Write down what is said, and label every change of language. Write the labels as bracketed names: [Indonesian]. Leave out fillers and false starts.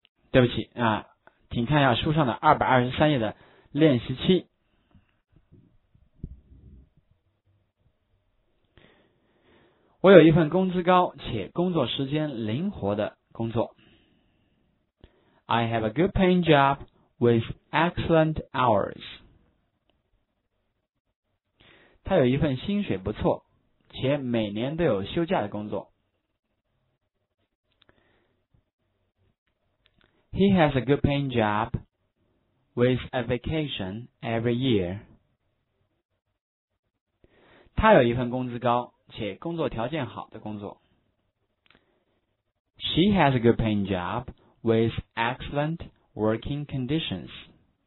[Chinese] 对不起请看一下书上的223页的练习七。我有一份工资高且工作时间灵活的工作。 [English] I have a good paying job with excellent hours. [Chinese] 他有一份薪水不错，且每年都有休假的工作。 [English] He has a good paying job with a vacation every year. [Chinese] 他有一份工资高，且工作条件好的工作。 [English] She has a good paying job with excellent working conditions.